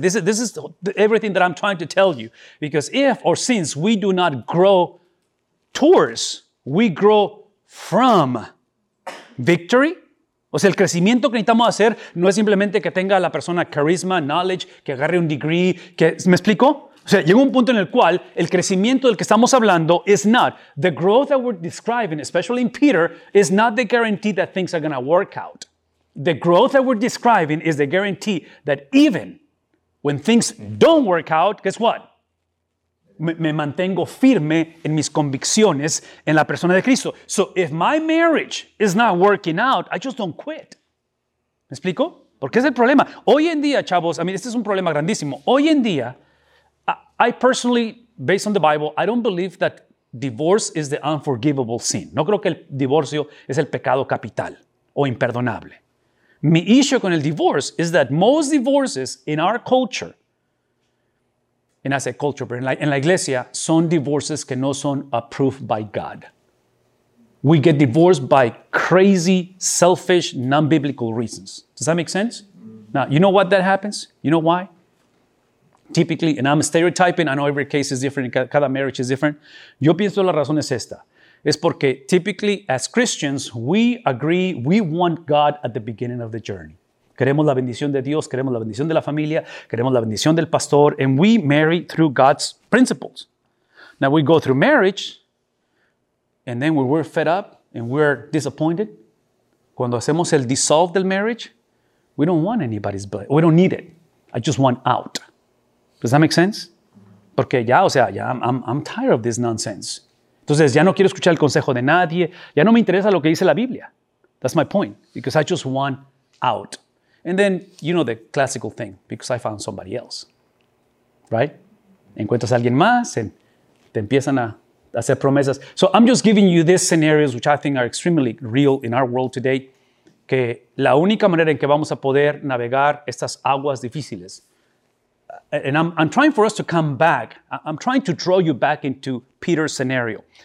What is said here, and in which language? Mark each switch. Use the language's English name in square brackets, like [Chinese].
[English] This is everything that I'm trying to tell you. Because if or since we do not grow towards, we grow from victory. [Spanish] O sea, el crecimiento que necesitamos hacer no es simplemente que tenga la persona carisma, knowledge, que agarre un degree. Que, ¿me explico? O sea, llega un punto en el cual el crecimiento del que estamos hablando [English] is not. The growth that we're describing, especially in Peter, is not the guarantee that things are going to work out. The growth that we're describing is the guarantee that even when things don't work out, guess what? [Spanish] Me mantengo firme en mis convicciones en la persona de Cristo. [English] So if my marriage is not working out, I just don't quit. [Spanish] ¿Me explico? Porque es el problema. Hoy en día, chavos, I mean, este es un problema grandísimo. Hoy en día, [English] I personally, based on the Bible, I don't believe that divorce is the unforgivable sin. [Spanish] No creo que el divorcio es el pecado capital o imperdonable. [English] Mi issue con el divorce is that most divorces in our culture, and I say culture, but [Spanish] en la iglesia, son divorces que no son [English] approved by God. We get divorced by crazy, selfish, non-biblical reasons. Does that make sense? Now, you know what that happens? You know why? Typically, and I'm stereotyping, I know every case is different, cada marriage is different. [Spanish] Yo pienso la razón es esta. [English] Es porque typically, as Christians, we agree, we want God at the beginning of the journey. [Spanish] Queremos la bendición de Dios, queremos la bendición de la familia, queremos la bendición del pastor, [English] and we marry through God's principles. Now we go through marriage, and then when we're fed up and we're disappointed, [Spanish] cuando hacemos el dissolve del marriage, [English] we don't want anybody's blessing. We don't need it. I just want out. Does that make sense? [Spanish] Porque ya, o sea, ya [English] I'm tired of this nonsense. [Spanish] Entonces, ya no quiero escuchar el consejo de nadie. Ya no me interesa lo que dice la Biblia. [English] That's my point. Because I just want out. And then, you know the classical thing. Because I found somebody else. Right? [Spanish] Encuentras a alguien más and te empiezan a hacer promesas. [English] So I'm just giving you these scenarios which I think are extremely real in our world today. [Spanish] Que la única manera en que vamos a poder navegar estas aguas difíciles. [English] And I'm trying for us to come back. I'm trying to draw you back into Peter's scenario.